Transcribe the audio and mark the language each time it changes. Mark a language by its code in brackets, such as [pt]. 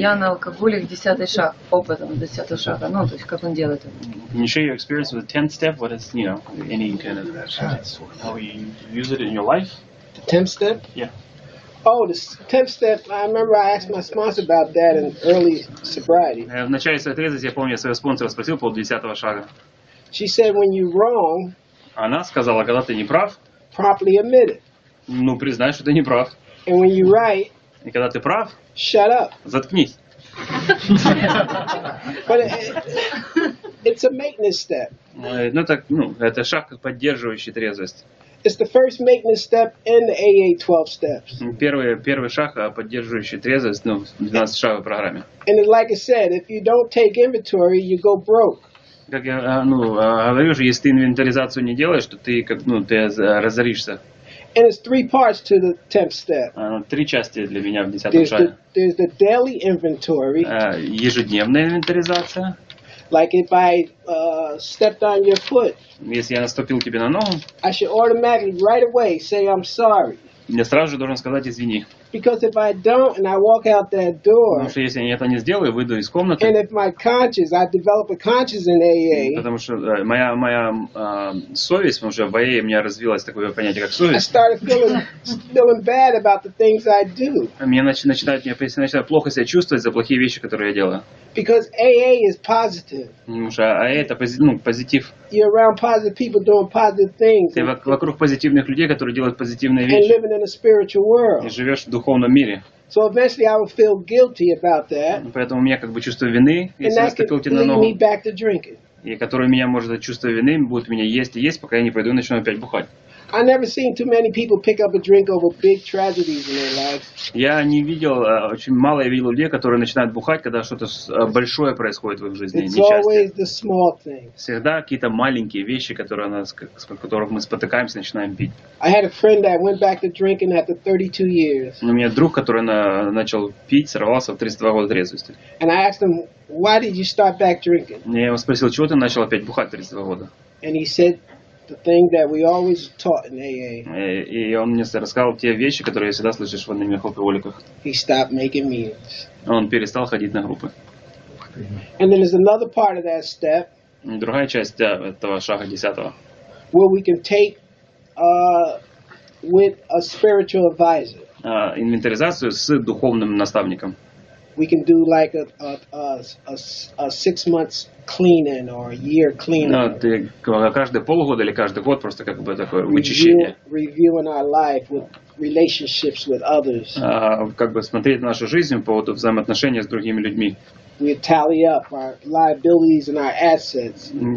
[ru] Я на алкоголик 10-й шаг, опытом 10-го шага. Ну, то есть, как он делает это? [en] Can you share your experience with the 10th step? What is, you know, any kind of how you use it in your life? The 10th step? Yeah. Oh, the 10th step, I remember I asked my sponsor about that in early sobriety. [ru] В начале своей трезвости, я помню, я своего спонсора спросил по 10-го шага. [en] She said, when you're wrong, [ru] она сказала, когда ты не прав, [en] properly admit it. [ru] Ну, признай, что ты не прав. [en] And when you're right, [ru] и когда ты прав, [en] shut up. [ru] Заткнись. [en] But it's a maintenance step. [ru] Ну так, ну это шаг, поддерживающий трезвость. [en] It's the first maintenance step in the AA 12 steps. [ru] Первый шаг, поддерживающий трезвость, ну 12 шагов в программе. [en] And like I said, if you don't take inventory, you go broke. [ru] Как я говорю же, если ты инвентаризацию не делаешь, то ты как ты разоришься. [en] And it's three parts to the tenth step. [ru] Три части для меня в десятом шаге. [en] There's the daily inventory. [ru] Ежедневная инвентаризация. [en] Like if I stepped on your foot. [ru] Если я наступил тебе на ногу. [en] I should automatically right away say I'm sorry. [ru] Я сразу же должен сказать извини. [en] Because if I don't and I walk out that door. [ru] Потому что если я это не сделаю, выйду из комнаты. [en] And if my conscience, I develop a conscience in AA. [ru] Потому что моя совесть, потому что в AA у меня развилось такое понятие как совесть. [en] I started feeling bad about the things I do. [ru] Меня начинает плохо себя чувствовать за плохие вещи, которые я делаю. [en] Because AA is positive. [ru] Потому что AA это позитив. [en] You're around positive people doing positive things. [ru] Ты вокруг позитивных людей, которые делают позитивные вещи. [en] And living in a spiritual world. [ru] И живешь в духовном мире. [en] So eventually I would feel guilty about that. [ru] Поэтому у меня как бы чувство вины, если я ступил тебе на ногу. [en] And that could lead me back to drinking. [ru] И которое меня может от чувства вины будет меня есть и есть, пока я не пойду и начну опять бухать. [en] I never seen too many people pick up a drink over big tragedies in their lives. [ru] Я не видел, очень мало я видел людей, которые начинают бухать, когда что-то большое происходит в их жизни, несчастье. [en] It's always the small things. [ru] Всегда какие-то маленькие вещи, которые нас, с которых мы спотыкаемся, начинаем пить. [en] I had a friend that went back to drinking after 32 years. [ru] У меня друг, который начал пить, сорвался в 32 года трезвости. [en] And I asked him, why did you start back drinking? [ru] Я его спросил, чего ты начал опять бухать в 32 года? [en] And he said, the thing that we always taught in AA. [ru] И он мне рассказал те вещи, которые я всегда слышишь в анонимных алкоголиках. [en] He stopped making meetings. [ru] Он перестал ходить на группы. [en] And then there's another part of that step. [ru] Другая часть этого шага десятого. [en] Where we can take with a spiritual advisor. [ru] Инвентаризацию с духовным наставником. [en] We can do like a 6 months cleaning or a year cleaning. [ru] Ну, ты каждый полгода или каждый год просто как бы такое вычищение. [en] Reviewing our life with relationships with others. [ru] Как бы смотреть на нашу жизнь по поводу взаимоотношений с другими людьми. [en] We tally up our liabilities and our assets.